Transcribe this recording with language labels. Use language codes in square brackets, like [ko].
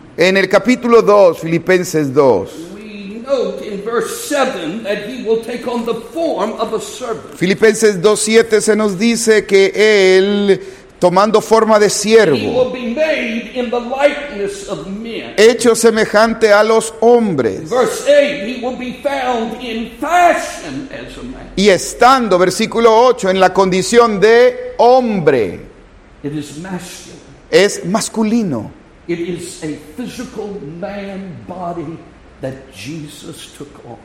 [es] en el capítulo 2, Filipenses 2. [en] In verse 7 that he will take on the form of a servant. [es] Filipenses 2:7 se nos dice que él tomando forma de siervo. [en] He will be made in the likeness of men. [es] Hecho semejante a los hombres. [en] Verse 8, he will be found in fashion as a man. [es] Y estando, versículo 8, en la condición de hombre. [en] It is masculine. [es] Es masculino. [en] It is a physical man body that Jesus took on.